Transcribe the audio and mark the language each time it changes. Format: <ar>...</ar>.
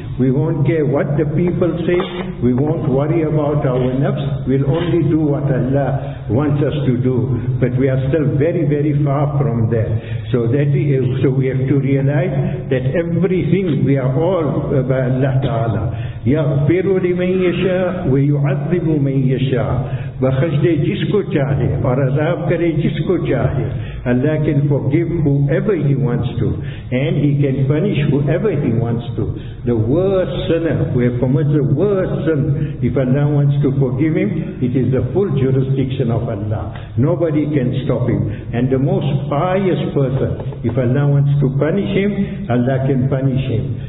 <en>We won't care what the people say. We won't worry about our nafs. We'll only do what Allah wants us to do. But we are still very, very far from that. So that is, so we have to realize that everything, we are all by Allah Ta'ala.</en> <ar>يغفر لمن يشاء ويعذب من يشاء.</ar> <ur>بخش دے جس کو چاہے اور عذاب کرے جس کو چاہے.</ur> <en>Allah can forgive whoever he wants to, and he can punish whoever he wants to. The worst sinner who has committed the worst sin, if Allah wants to forgive him, it is the full jurisdiction of Allah. Nobody can stop him. And the most pious person, if Allah wants to punish him, Allah can punish him.</en>